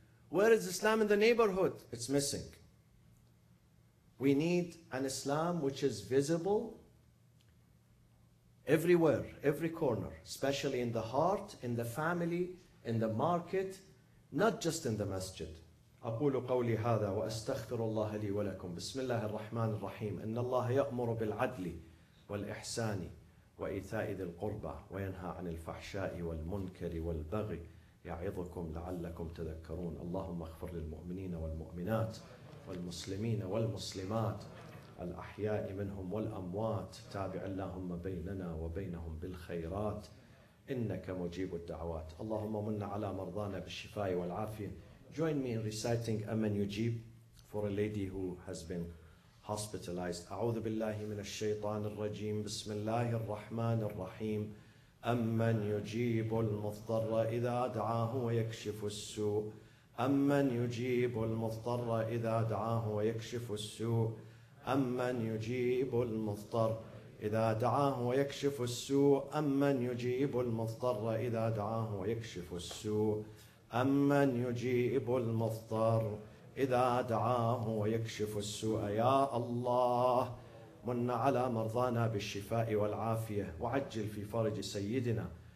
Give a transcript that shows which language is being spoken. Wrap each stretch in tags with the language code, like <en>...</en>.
<en>Where is Islam in the neighborhood? It's missing. We need an Islam which is visible, Everywhere, every corner, especially in the heart, in the family, in the market, not just in the masjid.</en> <ar>أقول قولي هذا وأستغفر الله لي ولكم بسم الله الرحمن الرحيم إن الله يأمر بالعدل والإحسان وإيتاء ذي القربى وينهى عن الفحشاء والمنكر والبغي يعظكم لعلكم تذكرون اللهم اغفر للمؤمنين والمؤمنات والمسلمين والمسلمات الأحياء منهم والأموات تابع اللهم بيننا وبينهم بالخيرات إنك مجيب الدعوات اللهم من على مرضانا بالشفاء والعافية.</ar> <en>Join me in reciting Amen Yujib for a lady who has been hospitalized.</en> <ar>أعوذ بالله من الشيطان الرجيم بسم الله الرحمن الرحيم أمن يجيب المضطر إذا دعاه ويكشف السوء أمن يجيب المضطر إذا دعاه ويكشف السوء أمن يجيب المضطر إذا دعاه ويكشف السوء أمن يجيب المضطر إذا دعاه ويكشف السوء أمن يجيب المضطر إذا دعاه ويكشف السوء يا الله من على مرضانا بالشفاء والعافية وعجل في فرج سيدنا</ar>